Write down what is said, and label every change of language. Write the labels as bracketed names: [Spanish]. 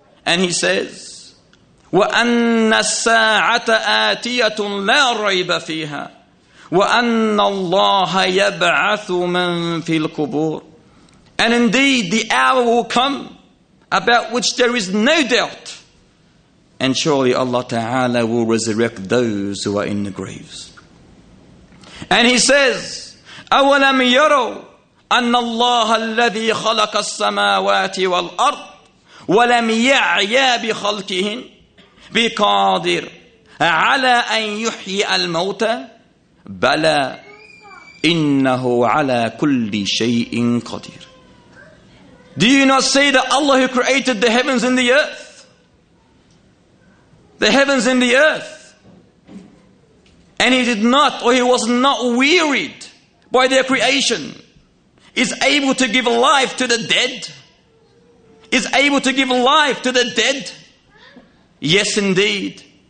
[English] And He says, [Arabic] وَأَنَّ السَّاعَةَ آتِيَةٌ لَا رَيْبَ فِيهَا وَأَنَّ اللَّهَ يَبْعَثُ مَنْ فِي الْكُبُورِ [English] And indeed the hour will come about which there is no doubt. And surely Allah Ta'ala will resurrect those who are in the graves. And he says, [Arabic] أَوَلَمْ يَرَوْا أَنَّ اللَّهَ الَّذِي خَلَقَ السَّمَاوَاتِ وَالْأَرْضِ وَلَمْ يَعْيَا بِخَلْقِهِنْ بقادر على أن يحيي الموتى بلى إنه على كل شيء قدير [English] Do you not say that Allah who created the heavens and the earth? The heavens and the earth. And He did not, or He was not wearied by their creation, is able to give life to the dead? Is able to give life to the dead? Yes, indeed.